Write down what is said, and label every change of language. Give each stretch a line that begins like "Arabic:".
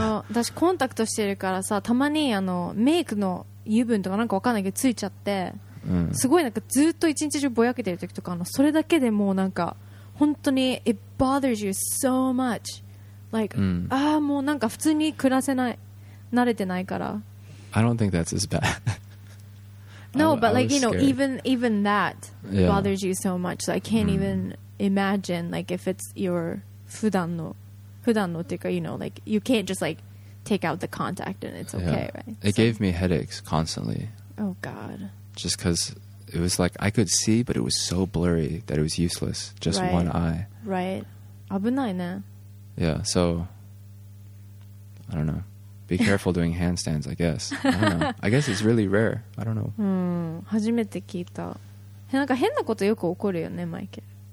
Japanese: 私コンタクトしてるからさ、たまにメイクの油分とかなんかわかんないけどついちゃって、すごいなんかずっと一日中ぼやけてる時とかそれだけでもうなんか、本当に
English: it bothers you so much. Like,
Japanese: もうなんか普通に暮らせない、慣れてないから。
English: I don't think that's as bad. No, but like, you know, even that bothers you so much. So I can't even imagine, like, if it's your
Japanese: 普段のっていうか,
English: you know, like, you can't just, like, take out the contact and it's okay, right? It gave me headaches constantly. Oh, God. Just because it was like, I could see, but it was so blurry that it was useless. Just right. One eye. Right.
Japanese: 危ないね.
English: Yeah, so, I don't know. Be careful doing handstands, I guess. I don't know. I guess it's really rare. I don't know.
Japanese: 初めて聞いた。なんか変なことよく起こるよね、マイケル。